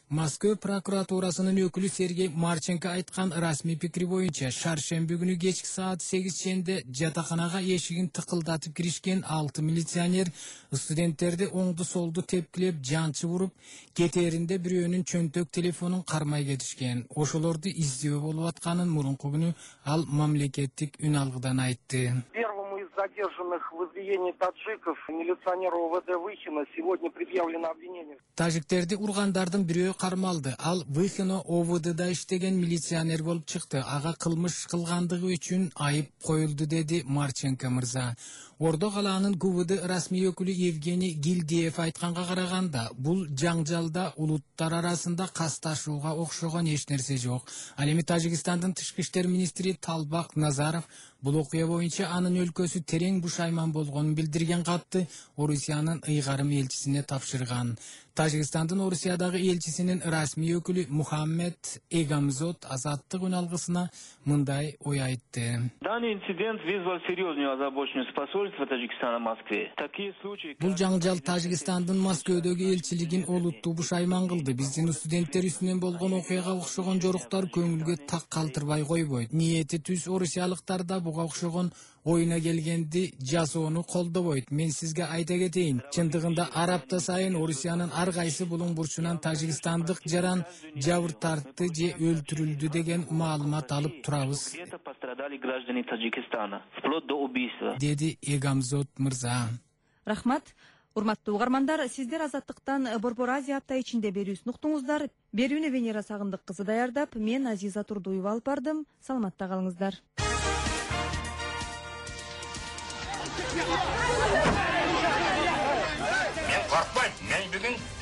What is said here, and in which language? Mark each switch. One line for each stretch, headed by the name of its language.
Kyrgyz: Москва прокуратурасынын өкүлү Сергей Марченко айткан расмий пикири боюнча шаршемби күнү кечки саат 8 ченде жатаканага эшигин тыкылдатып киришкен 6 милиционер студенттерди оңду солду тепкилеп жанчы уруп кетеринде бирөө өнүн чөнтөк телефонун кармай кетишкен. Ошолорду издөө болуп атканын мурунку күнү ал мамлекеттик үн алгыдан айтты.
Russian: Задержанных в избиении таджиков милиционер ОВД Выхина сегодня предъявлено обвинение.
Kyrgyz: Тажиктерди ургандардын бирөө кармалды. Ал Выхина ОВДда иштеген милиционер болуп чыкты. Ага кылмыш кылгандыгы үчүн айып коюлду, деди Марченко мырза. Ордо калаанын ГУВД расмий өкүлү Евгений Гилдиев айтканга караганда, бул жаңжалда улуттар арасында касташууга окшогон эч нерсе жок. Ал эми Тажикстандын тышкы иштер министри Талбак Назаров бул окуя боюнча анын өлкөсү терең бушайман болгонун билдирген катты Орусиянын ыйгарым элчисине тапшырган. Тажикстандын Орусиядагы элчисинин расмий өкүлү Мухаммед Эгамзот азаттык үн алгысына мындай ой айтты.
Russian: Данный инцидент вызвал серьезную озабоченность посольства Таджикистана в Москве. Такие случаи.
Kyrgyz: Бул жаңжал Тажикстандын Москвадагы элчилигин олуттуу бушайман кылды. Биздин студенттер үстүнөн болгон окуяга окшогон жоруктар көңүлгө так калтырбай койбойт. Ниети түз орусиялыктар да буга окшогон оюна келгенди жасоону колдобойт. Мен сизге айта кетейин, чындыгында ар апта сайын Орусиянын ар кайсы булуң бурчунан тажикстандык жаран жабыр тартты же өлтүрүлдү деген маалымат алып турабыз.
Russian: Это пострадали граждане Таджикистана вплоть до убийства,
Kyrgyz: деди Эгамзот мырза. Рахмат. Урматтуу угармандар, сиздер азаттыктан Борбор Азия апта ичинде берүүсүн уктуңуздар. Берүүнү Венера Сагындык кызы даярдап, мен Азиза Турдуева алып бардым. Саламатта калыңыздар.
Kazakh: Мен қорықпаймын, мен бүгін